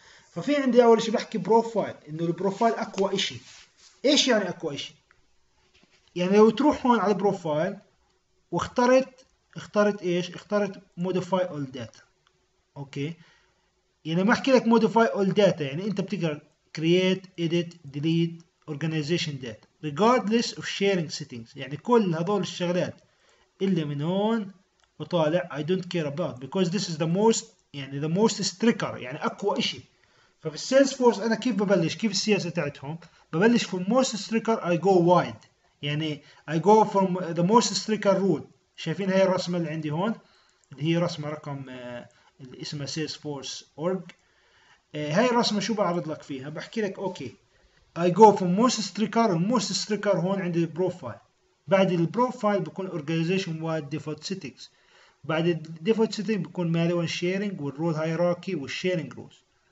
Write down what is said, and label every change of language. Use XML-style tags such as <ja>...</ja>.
<ar>ففي عندي اول شيء بحكي بروفايل، انه البروفايل اقوى شيء. ايش يعني اقوى شيء؟ يعني لو تروح هون على البروفايل واخترت اخترت ايش؟ اخترت modify all data. اوكي، يعني ما احكي لك</ar> <en>modify all data،</en> <ar>يعني انت بتقدر</ar> <en>create edit delete organization data regardless of sharing settings.</en> <ar>يعني كل هذول الشغلات اللي من هون وطالع</ar> <en>I don't care about because this is the most</en> <ar>يعني</ar> <en>the most stricter</en> <ar>يعني اقوى اشي. ففي السيلز فورس انا كيف ببلش؟ كيف السياسه تاعتهم؟ ببلش</ar> <en>from most stricter I go wide، يعني I go from the most stricter rule.</en> <ar>شايفين هاي الرسمه اللي عندي هون؟ اللي هي رسمه رقم اللي اسمها سيلز فورس اورج. هاي الرسمه شو بعرض لك فيها؟ بحكي لك اوكي</ar> <en>I go from most stricter،</en> <ar>most stricter هون عندي البروفايل، بعد البروفايل بكون organization wide default settings، بعد الديفولت سيتنج بكون مالي وان شيرنج والرول هيراركي والشيرنج رولز.</ar>